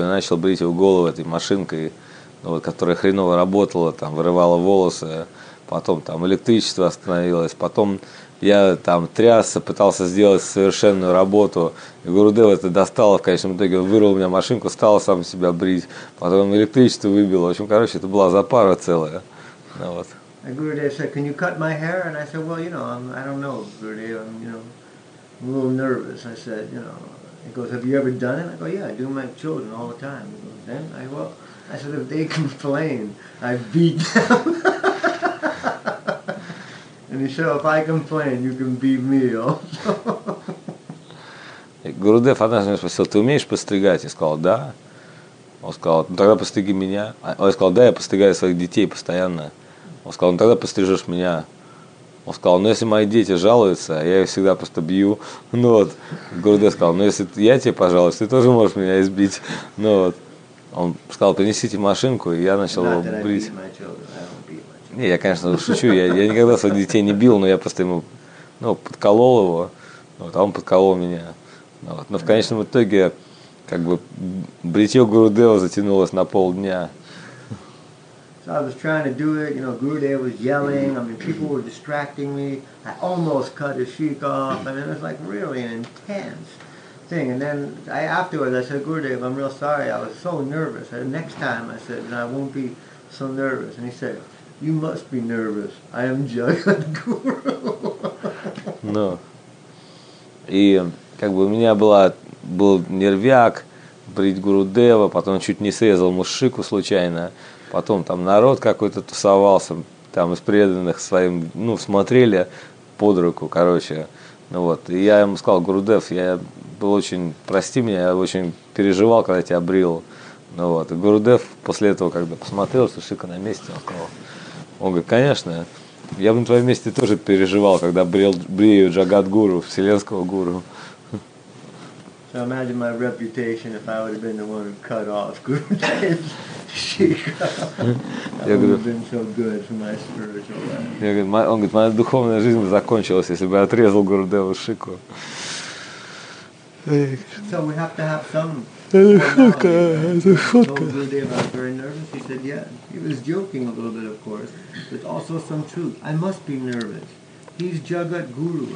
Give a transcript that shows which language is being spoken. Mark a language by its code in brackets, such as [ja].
[ru] Я начал брить его голову этой машинкой, вот, которая хреново работала, там, вырывала волосы. Потом там электричество остановилось. Потом я там трясся, пытался сделать совершенную работу. И Гурудев это достал, в конечном итоге он вырвал у меня машинку, стал сам себя брить. Потом электричество выбило. В общем, короче, это была запара целая. Ну, вот. [en] And Gurudev said, "Can you cut my hair?" And I said, "Well, you know, I don't know, Gurudev. I'm, you know, a little nervous. I said, you know, he goes, have you ever done it? I go, yeah, I do my children all the time. He goes, then I, well, I said, if they complain, I beat them. And he said, if I complain, you can beat me also. [ru] Гурудев однажды спросил, ты умеешь постригать? Я сказал, да. Он сказал, ну тогда постриги меня. Он сказал, да, я постригаю своих детей постоянно. Он сказал, ну тогда пострижешь меня. Он сказал, ну если мои дети жалуются, я их всегда просто бью. Ну вот, Гурудев сказал, ну если я тебе пожалуюсь, ты тоже можешь меня избить. Ну вот, он сказал, принесите машинку, и я начал его брить. Не, я, конечно, шучу, я никогда своих детей не бил, но я просто ему, ну, подколол его, вот, а он подколол меня. Вот. Но в конечном итоге, как бы, бритье Гурудева затянулось на полдня. [en] So I was trying to do it, you know, Gurudev was yelling, I mean, people were distracting me, I almost cut his cheek off, I mean, it was like really an intense thing. And then, afterwards, I said, Gurudev, I'm real sorry, I was so nervous. And next time, I said, I won't be so nervous. And he said, you must be nervous, I am Jagat Guru. No. [ru] Как бы у меня был нервяк брить Гурудева, потом чуть не срезал мушику случайно, потом там народ какой-то тусовался, там из преданных своим, ну, смотрели под руку, короче, ну вот. И я ему сказал, Гурудев, я был очень, прости меня, я очень переживал, когда тебя брил, ну вот. И Гурудев после этого, когда посмотрел, что шика на месте, он говорит, конечно, я бы на твоем месте тоже переживал, когда брею Джагадгуру, вселенского гуру. So imagine my reputation if I would have been the one who cut off Gurudev's shika. That would have been so good for my spiritual life. Он говорит, моя духовная жизнь закончилась, если бы я отрезал Гурудеву шику. [en] So we have to have some. [ru] Это шутка. [en] Gurudev was very nervous. He said, yeah. He was joking a little bit, of course. But also some truth. I must be nervous. He's Jagat Guru.